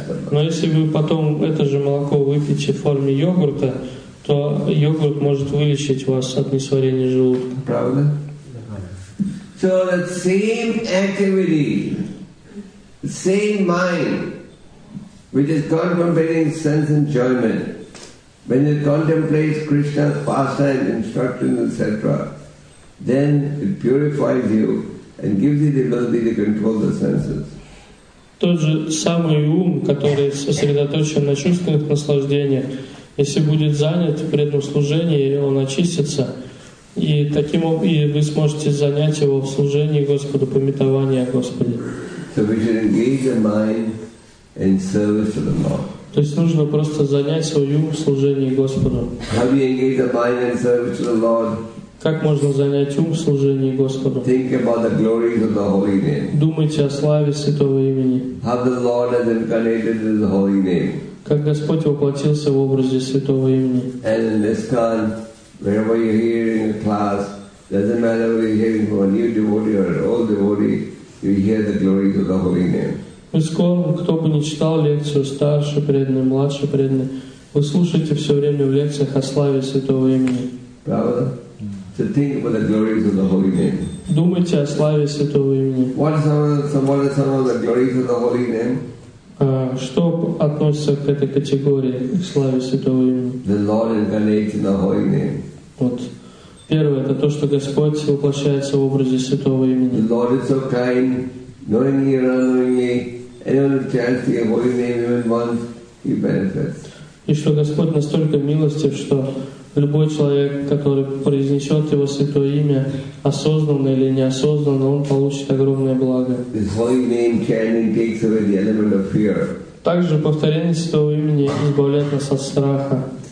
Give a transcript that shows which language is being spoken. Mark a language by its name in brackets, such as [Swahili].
[Russian] Но если вы потом это же молоко выпьете в форме йогурта, то йогурт может вылечить вас от несварения желудка. Правда? [English] So the same activity, the same mind, which is contemplating sense enjoyment, when it contemplates Krishna's pastimes, instructions, etc., then it purifies you and gives you the ability to control the senses. [Russian] Тот же самый ум, который сосредоточен на чувственных наслаждениях, если будет занят преданным служением, он очистится. И таким образом вы сможете занять его в служении Господу, памятование о Господе. [English] So we should engage the mind in service to the Lord. [Russian] То есть нужно просто занять свой ум в служении Господу. [English] How do you engage the mind in service to the Lord? [Russian] Как можно занять ум в служении Господу? [English] Think about the glories of the holy name. [Russian] Думайте о славе святого имени. [English] How the Lord has incarnated in the holy name. [Russian] Как Господь воплотился в образе святого имени. [English] And in this kind, wherever you're hearing a class, doesn't matter whether you're hearing from a new devotee or an old devotee, you hear the glories of the holy name. [Russian] Кто бы ни читал лекцию, старший преданный, младший преданный, вы слушаете все время в лекциях о славе святого имени. Правда? [English] So think about the glories of the holy name. [Russian] Думайте о славе святого имени. [English] What are some of the glories of the holy name? [Russian] Что относится к этой категории к славе святого имени? [English] The Lord incarnates in the holy name. [Russian] Вот. Первое, это то, что Господь воплощается в образе святого имени. [English] The Lord is so kind, knowing he or unknowing he, anyone who chants the holy name even once, he benefits. [Russian] И что Господь настолько милостив, что любой человек, который произнесет его святое имя, осознанно или неосознанно, он получит огромное благо. Также повторение святого имени избавляет нас от страха.